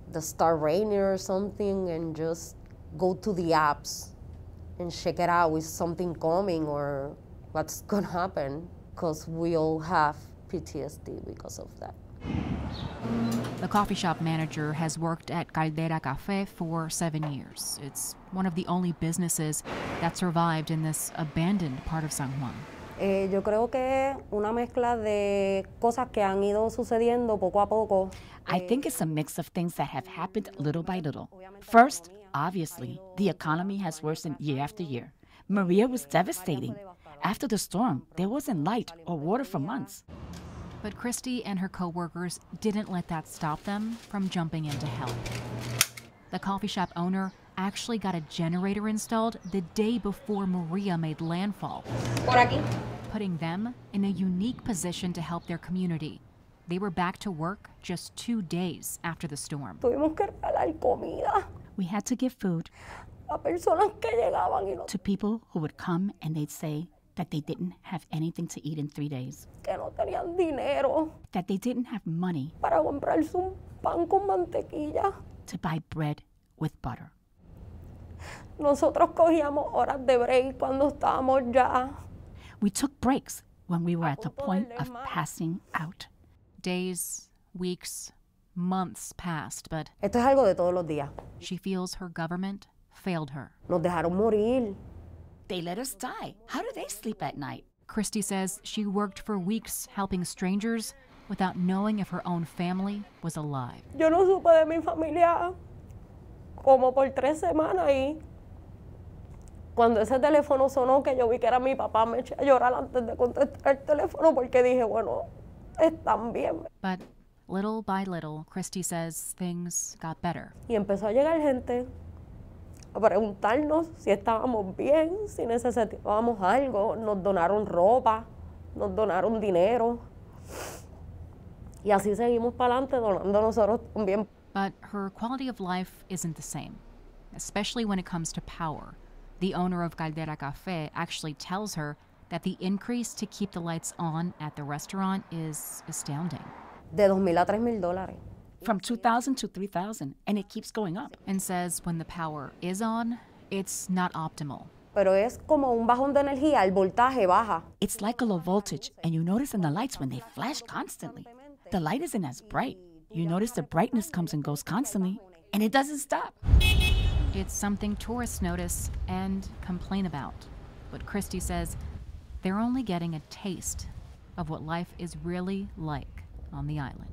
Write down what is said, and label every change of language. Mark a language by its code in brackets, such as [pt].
[en] The start raining or something and just go to the apps and check it out with something coming or what's gonna happen, because we all have PTSD because of that. The coffee shop manager has worked at Caldera Cafe for 7 years. It's one of the only businesses that survived in this abandoned part of San Juan. [es] Yo creo que una mezcla de cosas que han ido sucediendo poco a poco. [en] I think it's a mix of things that have happened little by little. First, obviously, the economy has worsened year after year. Maria was devastating. After the storm, there wasn't light or water for months. But Christy and her coworkers didn't let that stop them from jumping in to help. The coffee shop owner actually got a generator installed the day before Maria made landfall, putting them in a unique position to help their community. They were back to work just 2 days after the storm. We had to give food to people who would come and they'd say, that they didn't have anything to eat in 3 days. [es] Que no tenían dinero. [en] That they didn't have money. [es] Para comprarse un pan con mantequilla. [en] To buy bread with butter. [es] Nosotros cogíamos horas de break cuando estábamos ya. [en] We took breaks when we were at the point of passing out. Days, weeks, months passed, but [es] esto es algo de todos los días. [en] She feels her government failed her. [es] Nos dejaron morir. [en] They let us die. How do they sleep at night? Christy says she worked for weeks helping strangers without knowing if her own family was alive. [es] Yo no supe de mi familia como por 3 semanas y cuando ese teléfono sonó que yo vi que era mi papá, me eché a llorar antes de contestar el teléfono porque dije, bueno, están bien. [en] But little by little, Christy says things got better. [es] Y empezó a llegar gente a preguntarnos si estábamos bien, si necesitábamos algo. Nos donaron ropa, nos donaron dinero. Y así seguimos para adelante donando nosotros también. [en] But her quality of life isn't the same, especially when it comes to power. The owner of Caldera Cafe actually tells her that the increase to keep the lights on at the restaurant is astounding. [es] De 2,000 a 3,000 dollars. [en] From 2,000 to 3,000, and it keeps going up. And says when the power is on, it's not optimal. [es] Pero es como un bajón de energía, el voltaje baja. [en] It's like a low voltage, and you notice in the lights when they flash constantly. The light isn't as bright. You notice the brightness comes and goes constantly, and it doesn't stop. It's something tourists notice and complain about. But Christy says they're only getting a taste of what life is really like on the island.